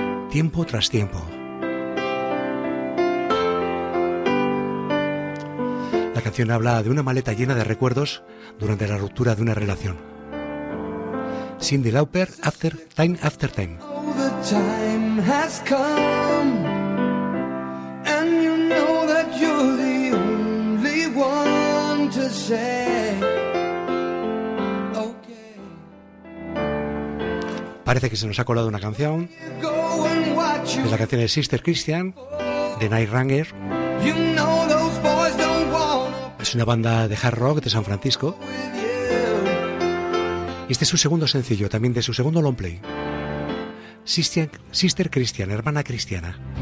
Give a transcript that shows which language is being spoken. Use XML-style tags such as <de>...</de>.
<es>Tiempo tras tiempo. La canción habla de una maleta llena de recuerdos durante la ruptura de una relación.</es> <en>Cyndi Lauper, After Time After Time. Oh, the time has come, and you know that you're the only one to say, okay.</en> <es>Parece que se nos ha colado una canción. Es la canción de Sister Christian, de Night Ranger. Es una banda de hard rock de San Francisco. Y este es su segundo sencillo, también de su segundo long play. Sister Christian, hermana cristiana.</es>